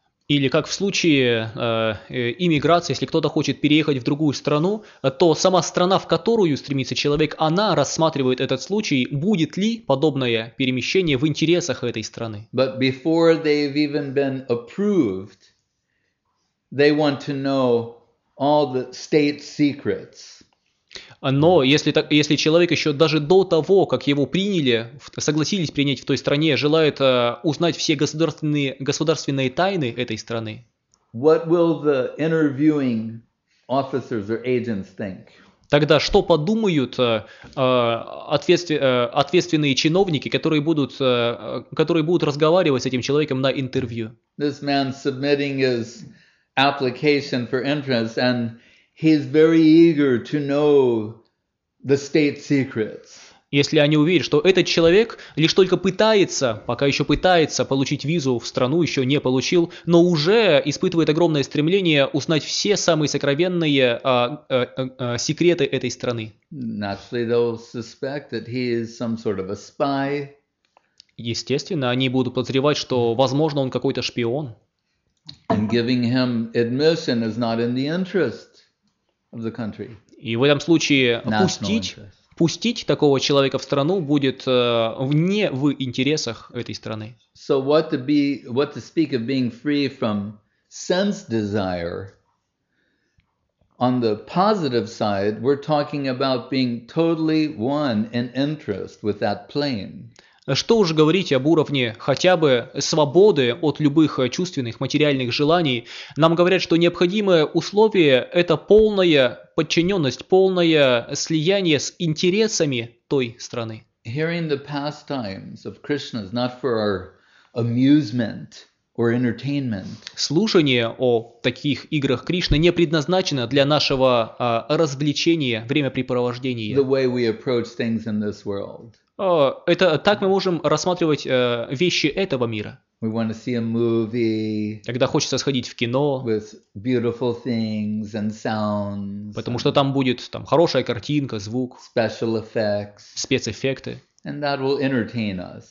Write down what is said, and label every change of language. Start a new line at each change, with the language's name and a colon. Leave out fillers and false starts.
Russian: Или как в случае иммиграции, если кто-то хочет переехать в другую страну, то сама страна, в которую стремится человек, она рассматривает этот случай, будет ли подобное перемещение в интересах этой страны.
English: But before they've even been approved, they want to know all the state secrets.
Russian: Но если человек еще даже до того, как его приняли, согласились принять в той стране, желает узнать все государственные тайны этой страны,
English: what will the interviewing officers or agents think?
Russian: Тогда что подумают ответственные чиновники, которые будут разговаривать с этим человеком на интервью?
English: This man submitting his application for entrance and he's very eager to know the state secrets.
Russian: Если они увидят, что этот человек лишь только пытается получить визу в страну, еще не получил, но уже испытывает огромное стремление узнать все самые сокровенные секреты этой страны.
English: Naturally, they'll suspect that he is some sort of a spy.
Russian: Естественно, они будут подозревать, что, возможно, он какой-то шпион.
English: And giving him admission is not in the interest.
Russian: И в этом случае пустить такого человека в страну будет не в интересах этой страны.
English: So what to speak of being free from sense desire? On the positive side, we're talking about being totally one in interest with that plane.
Russian: Что уж говорить об уровне хотя бы свободы от любых чувственных, материальных желаний. Нам говорят, что необходимое условие – это полная подчиненность, полное слияние с интересами той страны.
English: Hearing the pastimes of Krishna is not for our amusement or entertainment.
Russian: Слушание о таких играх Кришны не предназначено для нашего развлечения, времяпрепровождения.
English: The way we approach things in this world.
Russian: Это так мы можем рассматривать вещи этого мира.
English: We want to see a movie,
Russian: когда хочется сходить в кино,
English: with beautiful things and sounds,
Russian: потому что там будет там, хорошая картинка, звук,
English: special effects,
Russian: спецэффекты.
English: And that will entertain us.